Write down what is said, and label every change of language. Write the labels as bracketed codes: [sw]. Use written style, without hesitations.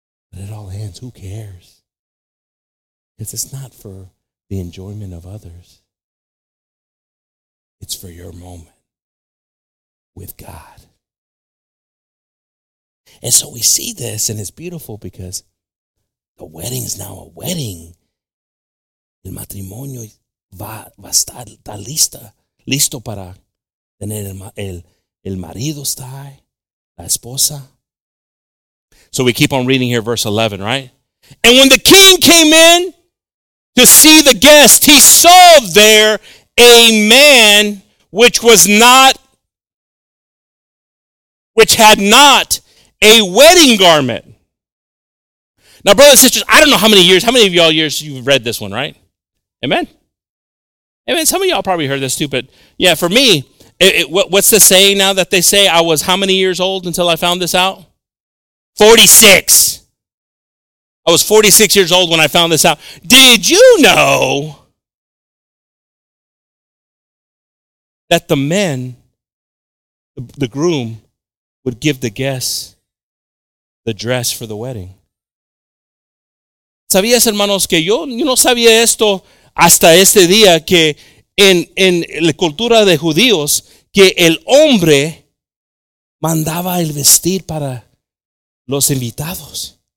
[en] But it all ends. Who cares? Because it's not for the enjoyment of others. It's for your moment with God. And so we see this, and it's beautiful because the wedding is now a wedding. [es] El matrimonio va a estar, está lista, listo para tener el marido está ahí, la esposa. [en] So we keep on reading here, verse 11, right? And when the king came in to see the guest, he saw there a man which had not a wedding garment. Now, brothers and sisters, I don't know how many of y'all years you've read this one, right? Amen? Amen. Some of y'all probably heard this too, but yeah, for me, what's the saying now that they say? I was how many years old until I found this out? 46. I was 46 years old when I found this out. Did you know that the men, the groom, would give the guests the dress for the wedding? [es] ¿Sabías, hermanos, que yo no sabía esto hasta este día, que en la cultura de judíos, que el hombre mandaba el vestir para los invitados?